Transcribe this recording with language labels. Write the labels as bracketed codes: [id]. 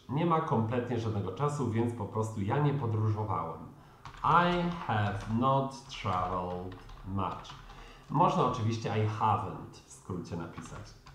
[pl] Nie ma kompletnie żadnego czasu, więc po prostu ja nie podróżowałem. [en] I have not traveled much. [pl] Można oczywiście I haven't w skrócie napisać.